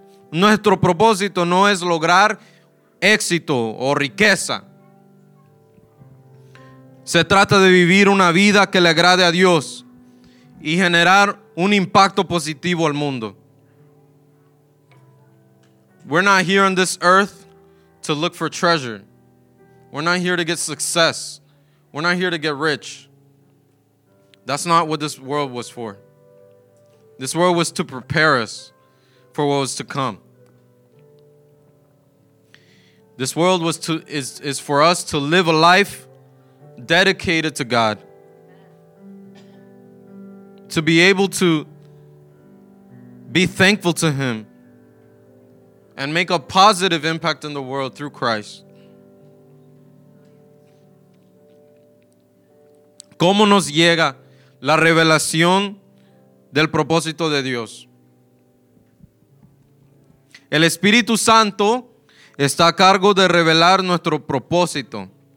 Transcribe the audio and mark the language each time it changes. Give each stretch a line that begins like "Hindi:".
Spanish: Nuestro propósito no es lograr éxito o riqueza. Se trata de vivir una vida que le agrade a Dios y generar un impacto positivo al mundo.
English: We're not here on this earth to look for treasure. We're not here to get success. We're not here to get rich. That's not what this world was for. This world was to prepare us for what was to come. This world was to is for us to live a life dedicated to God. To be able to be thankful to Him and make a positive impact in the world through Christ.
Spanish: ¿Cómo nos llega la revelación del propósito de Dios? El Espíritu Santo está a cargo de revelar nuestro propósito.